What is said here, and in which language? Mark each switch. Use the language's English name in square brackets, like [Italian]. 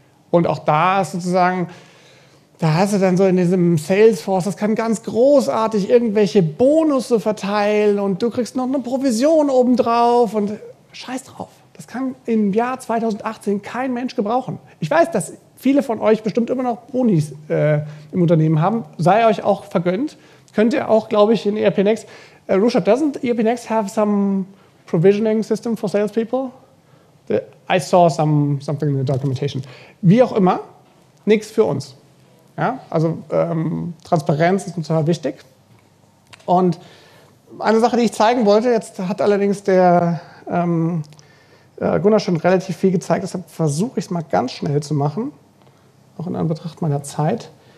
[German] Und auch da ist sozusagen, da hast du dann so in diesem Salesforce, das kann ganz großartig irgendwelche Bonusse verteilen und du kriegst noch eine Provision obendrauf und scheiß drauf. Das kann im Jahr 2018 kein Mensch gebrauchen. Ich weiß, dass viele von euch bestimmt immer noch Bonis im Unternehmen haben. Sei euch auch vergönnt. Könnt ihr auch, glaube ich, in ERP Next. [English] Rusha, doesn't ERP Next have some provisioning system for salespeople? I saw something in the documentation. [German] Wie auch immer, nichts für uns. Ja? Also Transparenz ist uns total wichtig. Und eine Sache, die ich zeigen wollte, jetzt hat allerdings der Gunnar schon relativ viel gezeigt, deshalb versuche ich es mal ganz schnell zu machen, auch in Anbetracht meiner Zeit.